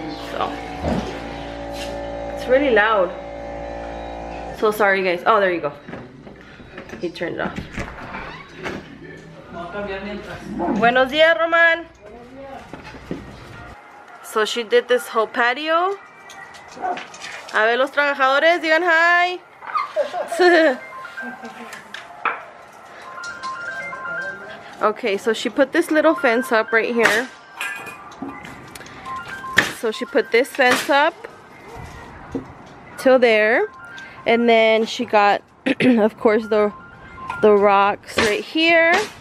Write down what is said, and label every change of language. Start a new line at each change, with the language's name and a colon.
English: So it's really loud. So sorry, guys. Oh, there you go. He turned it off.
Spanish: Buenos días, Roman.
English: So she did this whole patio.
Spanish: A ver los trabajadores, digan
English: hi. Okay, so she put this little fence up right here. So she put this fence up till there, and then she got of course the rocks right here.